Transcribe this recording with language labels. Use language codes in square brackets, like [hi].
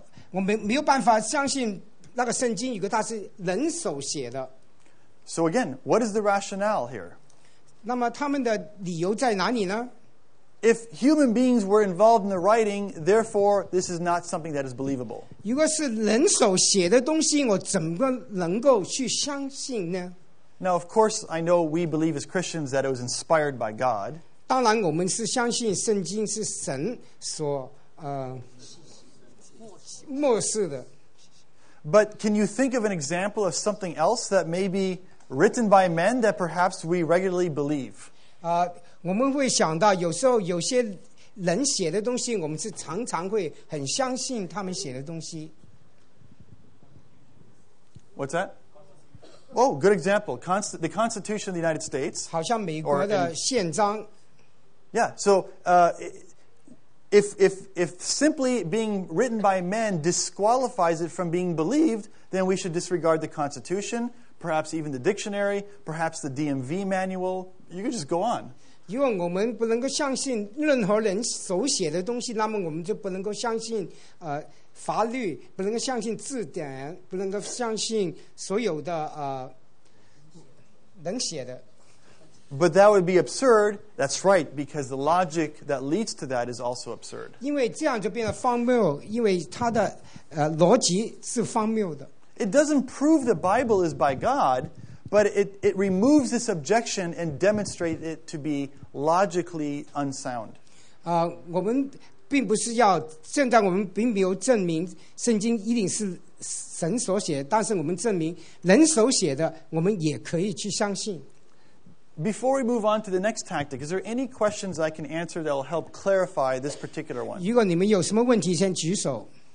[zh] 我没有办法相信那个圣经，如果它是人手写的。 [en] So again, what is the rationale here? [zh] 那么他们的理由在哪里呢？ [en] If human beings were involved in the writing, therefore, this is not something that is believable. [zh] 如果是人手写的东西，我怎么能够去相信呢？ [en] Now, of course, I know we believe as Christians that it was inspired by God. [zh] 当然，我们是相信圣经是神所默示的。 [en] But can you think of an example of something else that may be written by men that perhaps we regularly believe? [zh] 我们会想到有时候有些人写的东西我们是常常会很相信他们写的东西。 [en] What's that? Oh, good example. The Constitution of the United States. [zh] 好像美国的宪章。 [en] Yeah, so if simply being written by men disqualifies it from being believed, then we should disregard the Constitution, perhaps even the dictionary, perhaps the DMV manual. You can just go on. [zh] 如果我们不能够相信任何人手写的东西，那么我们就不能够相信法律，不能够相信字典，不能够相信所有的人写的。 [en] But that would be absurd. That's right, because the logic that leads to that is also absurd. [zh] 因为这样就变得荒谬，因为它的逻辑是荒谬的。 [en] It doesn't prove the Bible is by God. But it removes this objection and demonstrates it to be logically unsound. [zh] 我们并不是要，现在我们并没有证明圣经一定是神所写，但是我们证明人手写的，我们也可以去相信。 [en] Before we move on to the next tactic, is there any questions I can answer that will help clarify this particular one? [zh] 如果你们有什么问题，先举手。